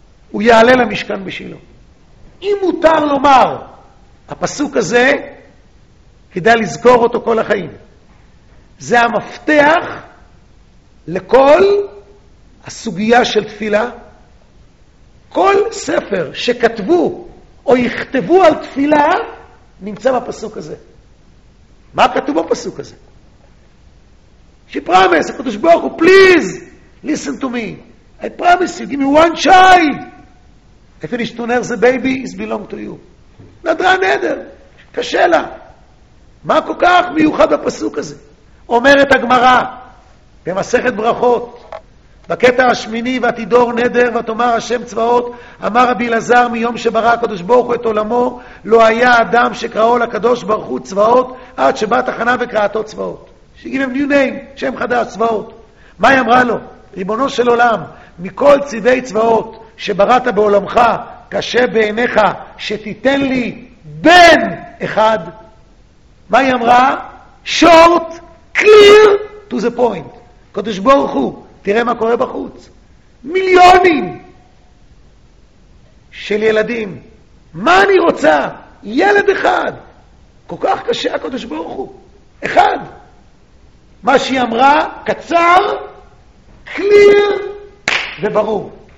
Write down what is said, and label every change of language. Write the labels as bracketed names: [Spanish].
[Hebrew] הוא יעלה למשכן בשילו. אם מותר לומר, הפסוק הזה, כדאי לזכור אותו כל החיים. זה המפתח לכל הסוגיה של תפילה. כל ספר שכתבו או יכתבו על תפילה נמצא בפסוק הזה. מה כתוב בפסוק הזה? [English] She promised, [Hebrew] הקדוש ברוך הוא, [English] please listen to me. I promise you, give me one child. I finish to nurse the baby, it belongs to you. [Hebrew] נדרה נדר, קשה לה. מה כל כך מיוחד בפסוק הזה? אומרת הגמרא במסכת ברכות בקטע השמיני ותידור נדר ותאמר השם צבאות אמר רבי אלעזר מיום שברא הקדוש ברוך הוא את עולמו לא היה אדם שקראו לקדוש ברוך הוא צבאות עד שבא תחנה וקראתו צבאות [English] שגיב הם ניו ניים [Hebrew] שם חדש צבאות מה היא אמרה לו? ריבונו של עולם מכל צבאי צבאות שבראת בעולמך קשה בעיניך שתיתן לי בן אחד מה היא אמרה? [English] שורט clear to the point. [Hebrew] קדוש ברוך הוא, תראה מה קורה בחוץ. מיליונים של ילדים. מה אני רוצה? ילד אחד. כל כך קשה הקדוש ברוך הוא. אחד. מה שהיא אמרה, קצר, clear וברור.